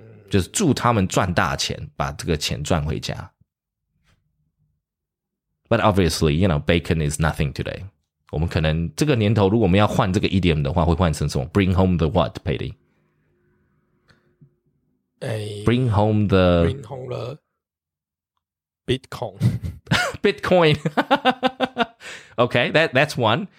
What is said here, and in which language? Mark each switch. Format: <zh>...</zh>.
<zh>就是祝他们赚大钱，把这个钱赚回家。</zh> <en>But obviously, you know, bacon is nothing today.</en> <zh>我们可能这个年头，如果我们要换这个 idiom 的话，会换成什么？</zh> <en>Bring home the what, Paddy? Bring home the... Bring home the... Bitcoin. Bitcoin. Okay, that's one.</en>